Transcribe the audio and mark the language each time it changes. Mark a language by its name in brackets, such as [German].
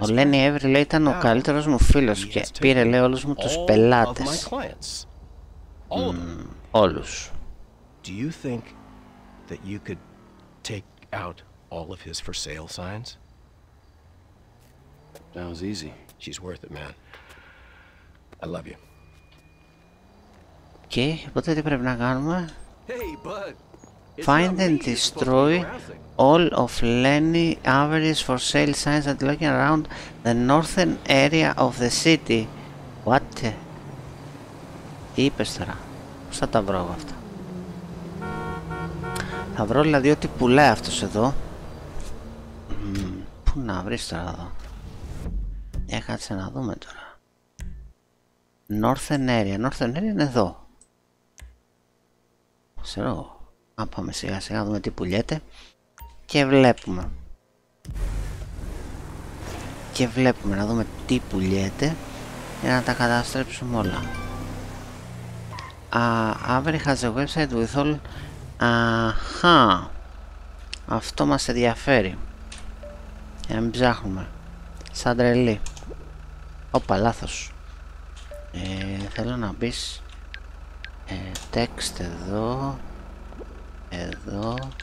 [Greek] Ο Lenny Avery λέει ήταν ο καλύτερος μου φίλος και πήρε λέει όλους μου τους πελάτες. Όλους. [English] Do you think that you could take out all of his for sale signs? Sounds easy. She's worth it, man. I love you. [Greek] Και οπότε τι πρέπει να κάνουμε? [English] Hey, bud. Find and destroy all of Lenny Avery's for sale signs that look around the northern area of the city. What? [Greek] Τι είπες τώρα? Πώς θα τα βρω εγώ αυτά? Θα βρω δηλαδή ότι πουλάει αυτός εδώ. Πού να βρεις τώρα εδώ? Για κάτσε να δούμε τώρα. [English] Northern area. Northern area [Greek] είναι εδώ. Ξέρω. Να πάμε σιγά σιγά να δούμε τι πουλιέται. Και βλέπουμε να δούμε τι πουλιέται για να τα καταστρέψουμε όλα. [English] Avery has a website with all. [Greek] Αχα. Αυτό μας ενδιαφέρει. Για να μην ψάχνουμε σαν τρελή. Όπα, λάθος. Θέλω να μπεις text εδώ. Εδώ.